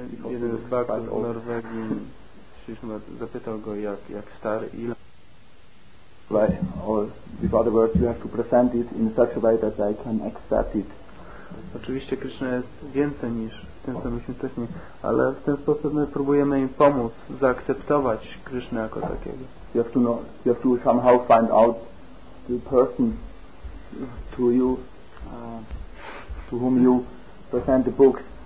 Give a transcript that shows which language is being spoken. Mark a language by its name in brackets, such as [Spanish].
[Polish] Jeden z baktów z Norwegii zapytał go jak stary i ile. [English] Right. Or with other words, you have to present it in such a way that I can accept it. [Polish] Oczywiście Krishna jest więcej niż tym, co myśmy wcześniej, ale w ten sposób my próbujemy im pomóc zaakceptować Krishna jako takiego. [English] You have to somehow find out the person to you, to whom you present the book.